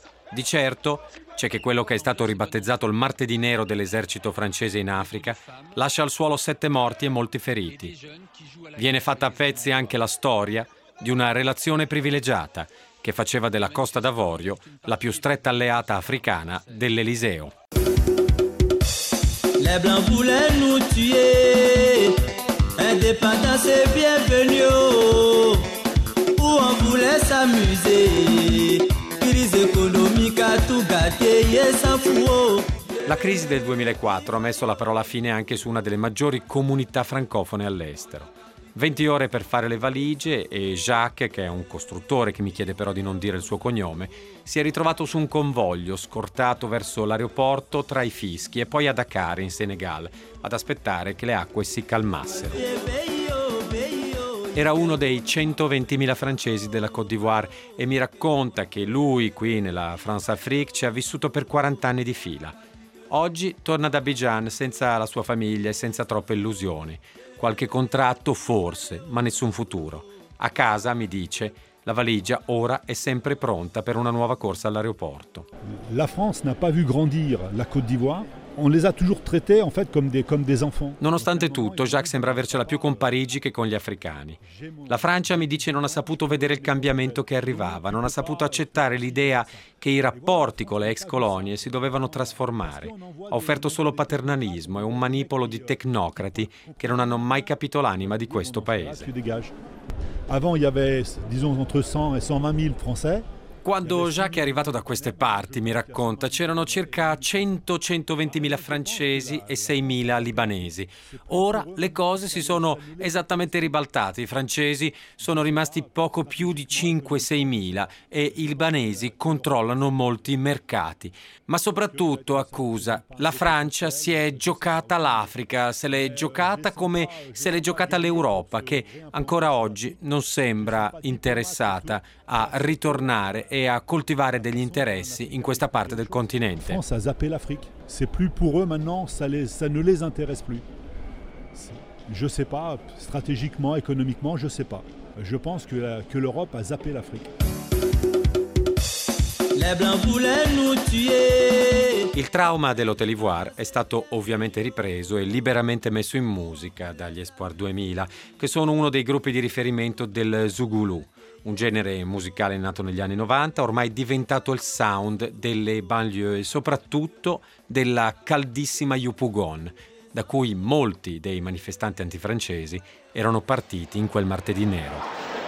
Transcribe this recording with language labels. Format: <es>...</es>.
<it>Di certo, c'è che quello che è stato ribattezzato il martedì nero dell'esercito francese in Africa lascia al suolo 7 morti e molti feriti. Viene fatta a pezzi anche la storia di una relazione privilegiata che faceva della Costa d'Avorio la più stretta alleata africana dell'Eliseo.</it> <fr>Les blancs voulaient nous tuer, indépendance et bienvenue, où on voulait s'amuser, crise économique a tout gâté, yes, a fuo.</fr> <it>La crisi del 2004 ha messo la parola fine anche su una delle maggiori comunità francofone all'estero. 20 ore per fare le valigie e Jacques, che è un costruttore che mi chiede però di non dire il suo cognome, si è ritrovato su un convoglio scortato verso l'aeroporto tra i fischi e poi a Dakar, in Senegal, ad aspettare che le acque si calmassero. Era uno dei 120.000 francesi della Côte d'Ivoire e mi racconta che lui, qui nella Françafrique, ci ha vissuto per 40 anni di fila. Oggi torna ad Abidjan senza la sua famiglia e senza troppe illusioni. Qualche contratto, forse, ma nessun futuro. A casa, mi dice, la valigia ora è sempre pronta per una nuova corsa all'aeroporto.</it> <fr>La France n'a pas vu grandir la Côte d'Ivoire. On les a toujours traités en fait comme des enfants.</fr> <it>Nonostante tutto, Jacques sembra avercela più con Parigi che con gli africani. La Francia, mi dice, non ha saputo vedere il cambiamento che arrivava, non ha saputo accettare l'idea che i rapporti con le ex colonie si dovevano trasformare. Ha offerto solo paternalismo e un manipolo di tecnocrati che non hanno mai capito l'anima di questo paese.</it> <fr>Avant il y avait disons entre 100 et 120.000 français.</fr> <it>Quando Jacques è arrivato da queste parti, mi racconta, c'erano circa 100-120.000 francesi e 6.000 libanesi. Ora le cose si sono esattamente ribaltate. I francesi sono rimasti poco più di 5-6.000 e i libanesi controllano molti mercati. Ma soprattutto, accusa, la Francia si è giocata l'Africa, se l'è giocata come se l'è giocata l'Europa, che ancora oggi non sembra interessata a ritornare e a coltivare degli interessi in questa parte del continente.</it> <fr>France a zappé l'Afrique. C'est plus pour eux maintenant, ça ne les intéresse plus. Je sais pas, stratégiquement, économiquement, je sais pas. Je pense que l'Europe a zappé l'Afrique. Les blancs voulaient nous tuer.</fr> <it>Il trauma dell'Hôtel Ivoire è stato ovviamente ripreso e liberamente messo in musica dagli Espoir 2000, che sono uno dei gruppi di riferimento del Zougoulou. Un genere musicale nato negli anni 90, ormai diventato il sound delle banlieue, soprattutto della caldissima Yopougon, da cui molti dei manifestanti antifrancesi erano partiti in quel martedì nero.</it>